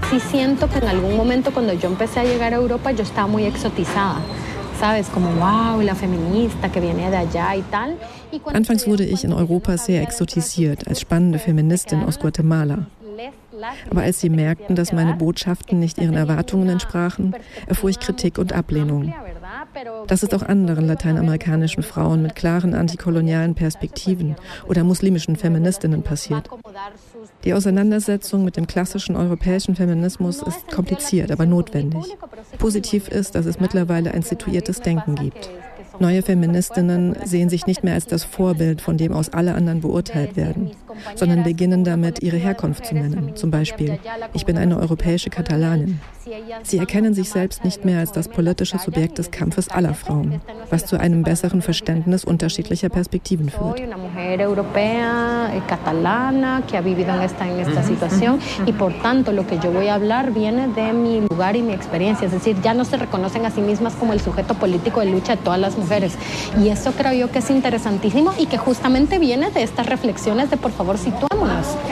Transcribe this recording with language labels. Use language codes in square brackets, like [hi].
[es] Siento que en algún momento cuando yo empecé a llegar a Europa yo estaba muy exotizada, ¿sabes? Como wow, la feminista que viene de allá y tal. [de] Anfangs wurde ich in Europa sehr exotisiert als spannende Feministin aus Guatemala. Aber als sie merkten, dass meine Botschaften nicht ihren Erwartungen entsprachen, erfuhr ich Kritik und Ablehnung. Das ist auch anderen lateinamerikanischen Frauen mit klaren antikolonialen Perspektiven oder muslimischen Feministinnen passiert. Die Auseinandersetzung mit dem klassischen europäischen Feminismus ist kompliziert, aber notwendig. Positiv ist, dass es mittlerweile ein situiertes Denken gibt. Neue Feministinnen sehen sich nicht mehr als das Vorbild, von dem aus alle anderen beurteilt werden, sondern beginnen damit, ihre Herkunft zu nennen. Zum Beispiel, ich bin eine europäische Katalanin. Sie erkennen sich selbst nicht mehr als das politische Subjekt des Kampfes aller Frauen, was zu einem besseren Verständnis unterschiedlicher Perspektiven führt. Ich bin eine [es] mujer europea, catalana, que ha vivido en esta situación, y por tanto lo que yo voy a hablar viene de mi lugar y mi experiencia. Es decir, ya no se reconocen a sí mismas como el sujeto político de lucha de todas las mujeres. Y eso creo yo que es interesantísimo y que justamente viene de estas reflexiones de por favor situémonos.